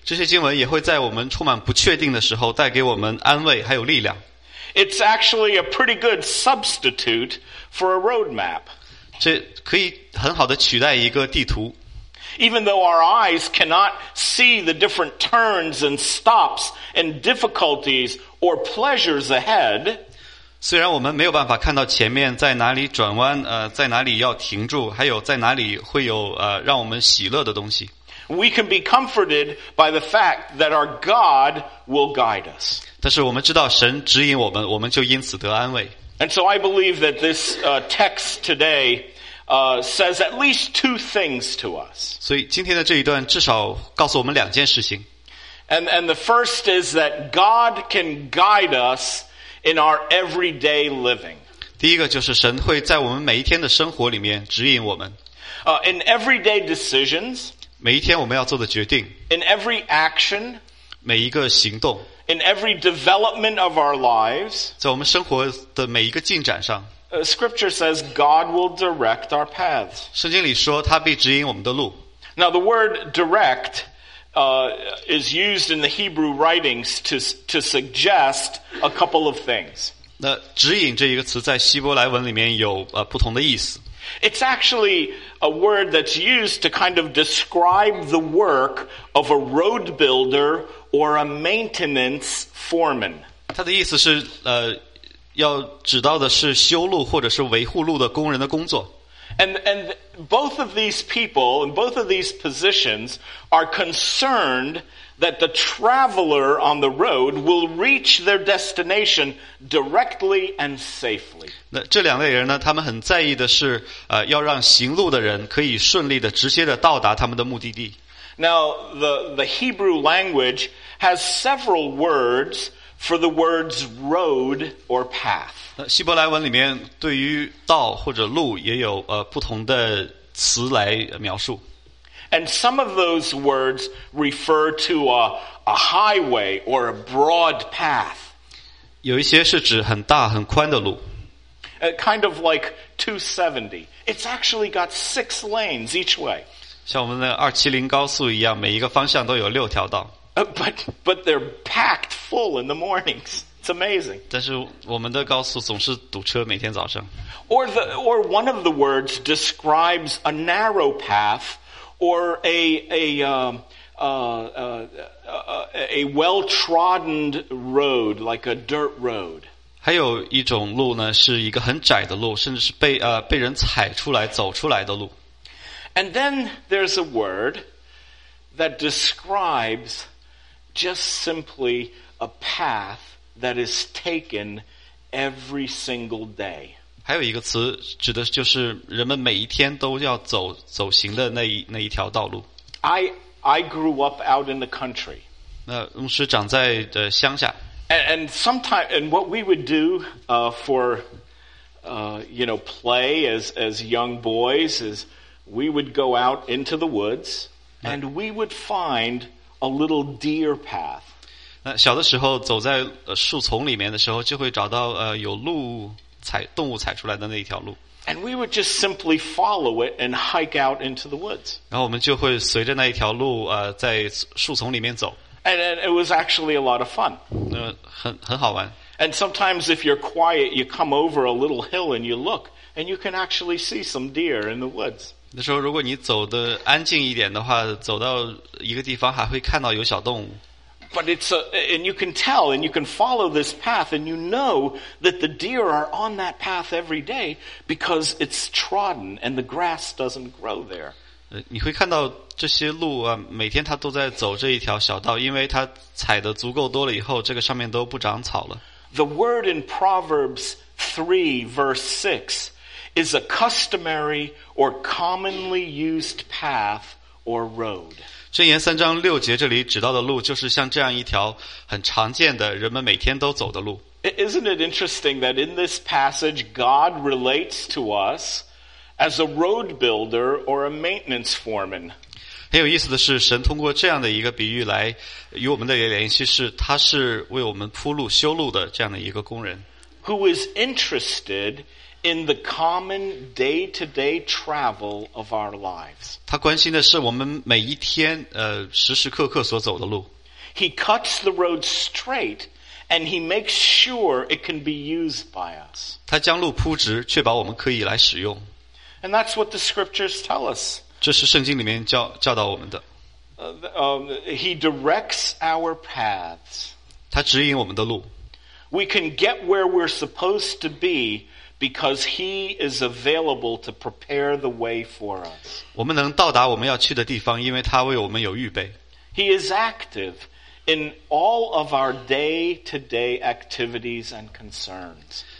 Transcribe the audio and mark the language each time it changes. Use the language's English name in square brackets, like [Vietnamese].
[Chinese] 这些经文也会在我们充满不确定的时候带给我们安慰还有力量。 [English] It's actually a pretty good substitute for a roadmap. [Chinese] 这可以很好的取代一个地图。 [English] Even though our eyes cannot see the different turns and stops and difficulties or pleasures ahead, [Chinese] 虽然我们没有办法看到前面在哪里转弯，在哪里要停住，还有在哪里会有让我们喜乐的东西。 [English] We can be comforted by the fact that our God will guide us. [Chinese] 但是我们知道神指引我们，我们就因此得安慰。 [English] And so I believe that this text today says at least two things to us. [Chinese] 所以今天的这一段至少告诉我们两件事情。 [English] And the first is that God can guide us in our everyday living. [Chinese] 第一个就是神会在我们每一天的生活里面指引我们。 [English] In everyday decisions, [Chinese] 每一天我们要做的决定。 [English] In every action, [Chinese] 每一个行动。 [English] In every development of our lives, [Chinese] 在我们生活的每一个进展上。 [English] Scripture says God will direct our paths. [Chinese] 圣经里说他必指引我们的路。 [English] Now the word direct, is used in the Hebrew writings to suggest a couple of things. [Chinese] 那指引这一个词在希伯来文里面有不同的意思。 [English] It's actually a word that's used to kind of describe the work of a road builder or a maintenance foreman. [Chinese] 它的意思是要指到的是修路或者是维护路的工人的工作。 [English] And both of these people and both of these positions are concerned that the traveler on the road will reach their destination directly and safely. [Chinese] 那这两类人呢，他们很在意的是，要让行路的人可以顺利的、直接的到达他们的目的地。 [English] Now, the Hebrew language has several words for the words road or path. [Chinese] 希伯来文里面对于道或者路也有不同的词来描述。 [English] And some of those words refer to a highway or a broad path. [Chinese] 有一些是指很大很宽的路。 [English] Kind of like 270. It's actually got 6 lanes each way. [Chinese] 像我们的270高速一样，每一个方向都有六条道。 [English] But they're packed full in the mornings. It's amazing. [Chinese] 但是我们的高速总是堵车，每天早上。 [English] Or one of the words describes a narrow path or a well-trodden road, like a dirt road. [Chinese] 还有一种路呢，是一个很窄的路，甚至是被人踩出来、走出来的路。 [English] And then there's a word that describes just simply a path that is taken every single day. [Chinese] 还有一个词指的就是人们每一天都要走行的那一条道路。 [English] I grew up out in the country. [Chinese] 那牧师长在乡下。 [English] And what we would do for play as young boys is we would go out into the woods and we would find a little deer path. [Chinese] 那小的时候走在树丛里面的时候，就会找到有鹿踩动物踩出来的那一条路。 [English] And we would just simply follow it and hike out into the woods. [Chinese] 然后我们就会随着那一条路在树丛里面走。 [English] And it was actually a lot of fun. [Chinese] 很好玩。 [English] And sometimes if you're quiet, you come over a little hill and you look, and you can actually see some deer in the woods. [Chinese] 那时候如果你走得安静一点的话，走到一个地方还会看到有小动物。 [English] But and you can tell, and you can follow this path, and you know that the deer are on that path every day because it's trodden and the grass doesn't grow there. [Chinese] 你会看到这些鹿啊，每天它都在走这一条小道，因为它踩的足够多了以后，这个上面都不长草了。 [English] The word in Proverbs 3 verse 6 is a customary or commonly used path or road. [Chinese] 箴言三章六节这里指到的路，就是像这样一条很常见的人们每天都走的路。 [English] Isn't it interesting that in this passage God relates to us as a road builder or a maintenance foreman? [Chinese] 很有意思的是，神通过这样的一个比喻来与我们的联系，是他是为我们铺路修路的这样的一个工人。 [English] Who is interested in the common day-to-day travel of our lives. [Chinese] 他关心的是我们每一天时时刻刻所走的路。 [English] He cuts the road straight and he makes sure it can be used by us. [Chinese] 他将路铺直，确保我们可以来使用。 [English] And that's what the scriptures tell us. [Chinese] 这是圣经里面教导我们的。 [English] He directs our paths. [Chinese] 他指引我们的路。 [English] We can get where we're supposed to be because he is available to prepare the way for us. [Chinese] 我们能到达我们要去的地方，因为他为我们有预备。 [English] He is active in all of our day-to-day activities and concerns.